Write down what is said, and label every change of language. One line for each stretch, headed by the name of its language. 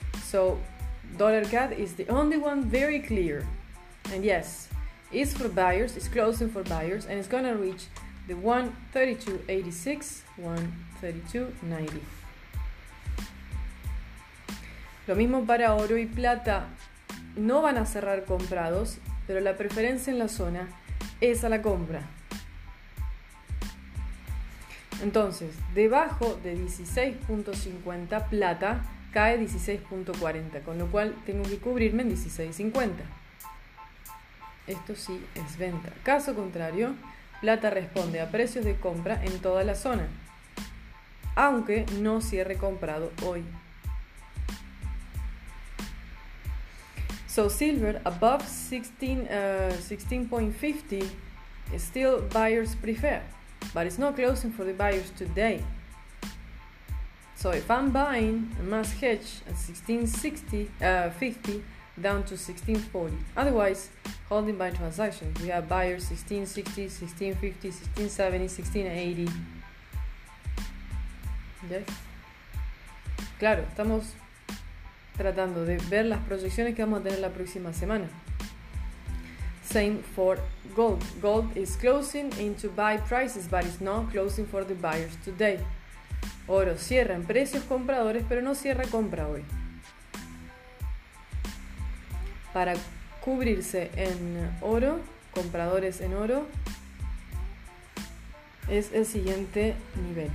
English: So, dólar CAD is the only one very clear. And yes, it's for buyers, it's closing for buyers, and it's gonna reach the 132.86, 132.90.
Spanish: Lo mismo para oro y plata, no van a cerrar comprados, pero la preferencia en la zona es a la compra. Entonces, debajo de 16.50 plata cae 16.40, con lo cual tengo que cubrirme en 16.50. Esto sí es venta. Caso contrario, plata responde a precios de compra en toda la zona, aunque no cierre comprado hoy.
English: So silver above 16.50 is still buyers prefer, but it's not closing for the buyers today. So if I'm buying a mass hedge at 1650 down to 1640, otherwise holding by transactions, we have buyers 1660, 1650, 1670, 1680. Yes.
Spanish: Claro, estamos tratando de ver las proyecciones que vamos a tener la próxima semana.
English: Same for gold. Gold is closing into buy prices, but it's not closing for the buyers today.
Spanish: Oro cierra en precios compradores, pero no cierra compra hoy. Para cubrirse en oro, compradores en oro, es el siguiente nivel.